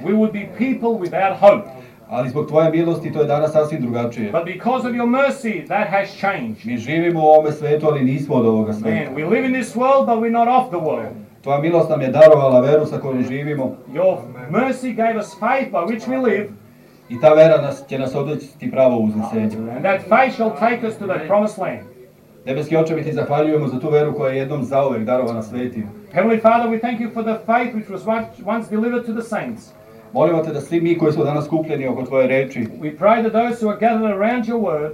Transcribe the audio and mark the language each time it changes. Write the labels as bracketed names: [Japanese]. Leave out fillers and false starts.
[English] We would be people without hope. [Serbian] Ali zbog tvoje milosti to je danas sasvim drugačije. [English] But because of your mercy, that has changed. [Serbian] Mi živimo u ovome svetu, ali nismo od ovoga sveta. Amen. [English] We live in this world, but we're not of the world. [Serbian] Tvoja milost nam je darovala veru sa kojom živimo. [English] Your mercy gave us faith by which we live. [Serbian] I ta vera nas će nas odvesti pravo u uzvišenje. [English] And that faith shall take us to the promised land. [Serbian] Nebeski Oče, mi ti zahvaljujemo za tu veru koja je jednom zauvek darovana svetima. [English] Heavenly Father, we thank you for the faith which was once delivered to the saints. [Serbian] Molimo te da svi mi koji smo danas skupljeni oko tvoje reči, [English] we pray that those who are gathered around your word,